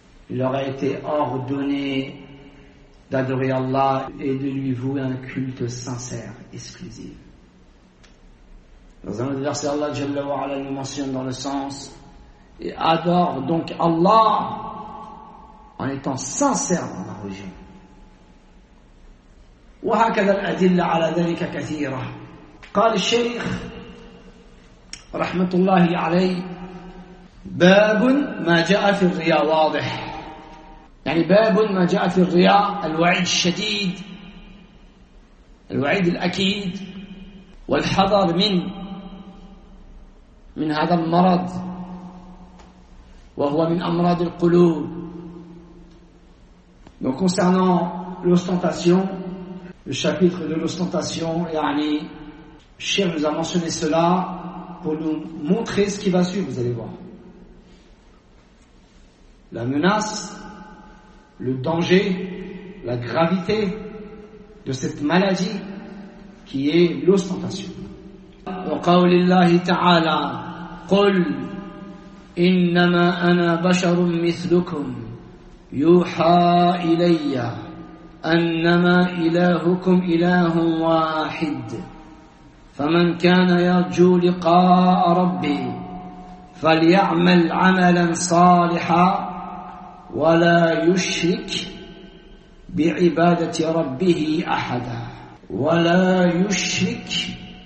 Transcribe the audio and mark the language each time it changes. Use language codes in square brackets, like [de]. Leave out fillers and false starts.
[fr] Il leur a été ordonné d'adorer Allah et de lui vouer un culte sincère, exclusif. Dans un autre verset, Allah Jalla wa Ala nous mentionne dans le sens et adore donc Allah en étant sincère dans la religion. [ar] وَهَكَذَا الْأَدِلَّ عَلَى ذَلِكَ كَثِيرًا قال الشيخ رحمة الله عليه باب ما جاء في الرياء واضح يعني باب ما جاء في الرياء الوعيد الشديد الوعيد الأكيد والحذر من من هذا المرض وهو من أمراض القلوب. [fr] Donc concernant l'ostentation, le chapitre de l'ostentation, yani Cheikh nous a mentionné cela pour nous montrer ce qui va suivre, vous allez voir. La menace, le danger, la gravité de cette maladie qui est l'ostentation. [ar] وقول الله تعالى قل إنما أنا بشر مثلكم يوحى إلي أنما إلهكم إله واحد فمن كان يرجو لقاء ربه فليعمل عملا صالحا ولا يشرك بعبادة ربه أحدا ولا يشرك